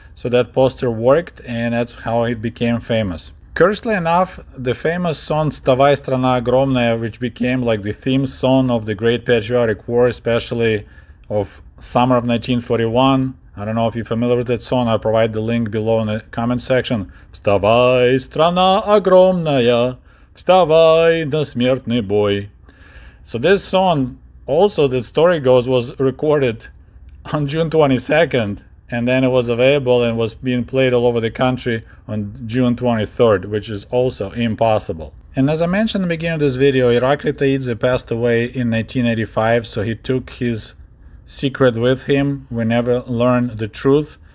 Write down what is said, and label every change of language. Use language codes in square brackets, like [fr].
[en] So that poster worked, and that's how it became famous. Curiously enough, the famous song «Вставай, страна огромная», which became like the theme song of the Great Patriotic War, especially of summer of 1941. I don't know if you're familiar with that song. I'll provide the link below in the comment section. [ru] «Вставай, страна огромная, вставай на смертный бой». [en] So this song, also the story goes, was recorded on June 22nd, and then it was available and was being played all over the country on June 23rd, which is also impossible. And as I mentioned in the beginning of this video, Irakli Taidze passed away in 1985, so he took his secret with him. We never learned the truth